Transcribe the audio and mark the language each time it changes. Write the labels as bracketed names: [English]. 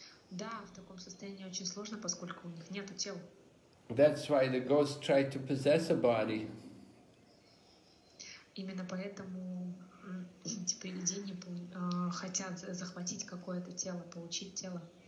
[Russian] Да, в таком состоянии очень сложно, поскольку у них нету тела. [English] That's why the ghosts try to possess a body. [Russian] Именно поэтому эти привидения хотят захватить какое-то тело, получить тело.